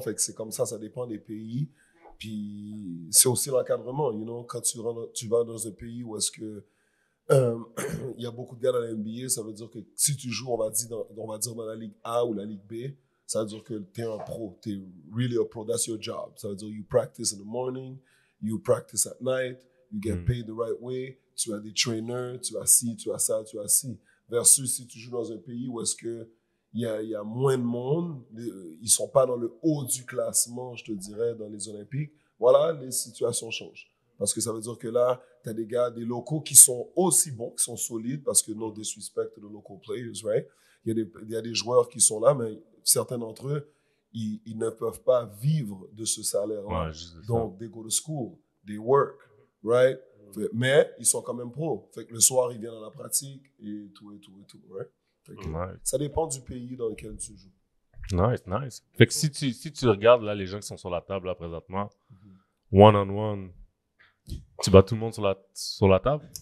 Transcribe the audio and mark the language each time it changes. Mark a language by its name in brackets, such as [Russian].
[French] Fait que c'est comme ça, ça dépend des pays. Puis, c'est aussi l'encadrement, [English] you know. [French] Quand tu vas dans un pays où est-ce que il y a beaucoup de gars dans la NBA, ça veut dire que si tu joues, on va dire dans la Ligue A ou la Ligue B, ça veut dire que t'es un pro. T'es [English] really a pro. That's your job. [French] Ça veut dire [English] you practice in the morning, you practice at night, you get paid the right way, [French] tu as des trainers, tu as ci, [English] tu as ça, tu as ci. [French] Versus si tu joues dans un pays où est-ce que il y a moins de monde, ils sont pas dans le haut du classement, je te dirais, dans les Olympiques. Voilà, les situations changent. Parce que ça veut dire que là, tu as des gars, des locaux qui sont aussi bons, qui sont solides, parce que [English] no disrespect to the local players, right? [French] Il y a des joueurs qui sont là, mais certains d'entre eux, ils ne peuvent pas vivre de ce salaire-là. Ouais, donc, [English] they go to school, they work, right? [French] Mais ils sont quand même pros. Fait que le soir, ils viennent à la pratique et tout, [English] right? Nice. [French] Ça dépend du pays dans lequel tu joues. [English] Nice, nice. [French] Fait que si tu regardes là les gens qui sont sur la table là présentement, one-on-one, tu bats tout le monde sur la table?